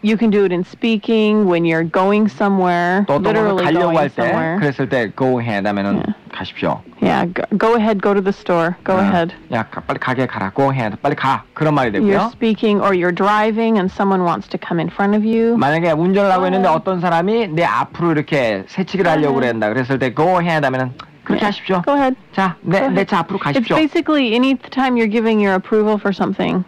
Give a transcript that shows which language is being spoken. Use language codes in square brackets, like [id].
[en] You can do it in speaking when you're going somewhere. [ko] 너도 가려고 할 때 그랬을 때 [en] go ahead [ko] 하면은 yeah. 가십시오. [en] Yeah, go ahead. Go to the store. Go yeah. ahead. [ko] 야, 빨리 가게 가라. [en] Go ahead. [ko] 빨리 가. 그런 말이 되고요. [en] You're speaking or you're driving and someone wants to come in front of you. [ko] 만약에 운전을 하고 있는데 어떤 사람이 내 앞으로 이렇게 새치기를 yeah. 하려고 그랬다. 그랬을 때 [en] go ahead [ko] 하면은 그렇게 yeah. 하십시오. [en] Go ahead. [ko] 자, 내 차 앞으로 가십시오. [en] It's basically any time you're giving your approval for something.